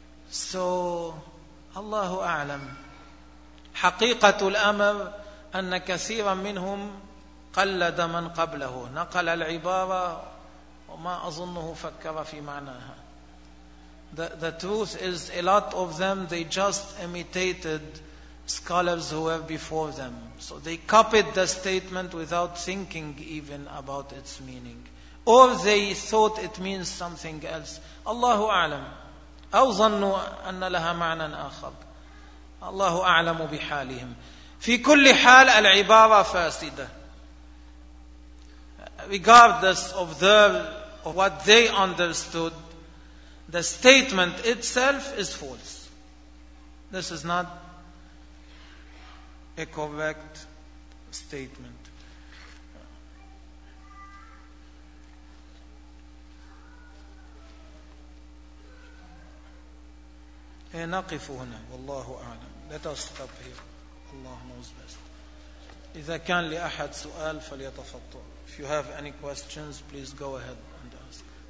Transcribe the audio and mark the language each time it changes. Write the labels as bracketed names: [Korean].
[Arabic] So الله أعلم حقيقة الأمر أن كثيرا منهم قلد من قبله نقل العبارة وما أظنه فكر في معناها. [English] The truth is a lot of them, they just imitated scholars who were before them. So they copied the statement without thinking even about its meaning. Or they thought it means something else. [Arabic] الله أعلم أو ظنوا أن لها معنى آخر. الله أعلم بحالهم. في كل حال العبارة فاسدة. [English] Regardless of what they understood, the statement itself is false. This is not a correct statement. [Arabic] نقف هنا والله أعلم. [English] Let us stop here. Allah knows best. [Arabic] إذا كان لأحد سؤال فليتفضل. [English] If you have any questions, please go ahead and ask.